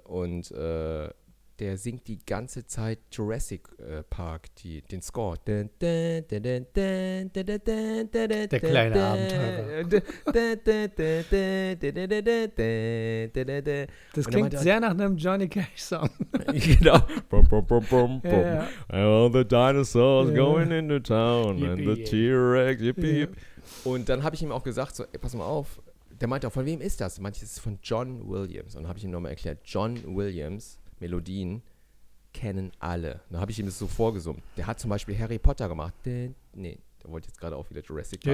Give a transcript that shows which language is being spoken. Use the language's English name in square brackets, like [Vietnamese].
[German] Und der singt die ganze Zeit Jurassic Park, den Score. Der kleine Abenteurer. Das klingt sehr nach einem Johnny Cash-Song. Genau. [English] And all the dinosaurs going into town and the T-Rex. [German] Und dann habe ich ihm auch gesagt, so, ey, pass mal auf. Der meinte auch, von wem ist das? Manche, das ist von John Williams. Und dann habe ich ihm nochmal erklärt, John Williams Melodien kennen alle. Da habe ich ihm das so vorgesummt. Der hat zum Beispiel Harry Potter gemacht. Nee, der wollte jetzt gerade auch wieder Jurassic Park.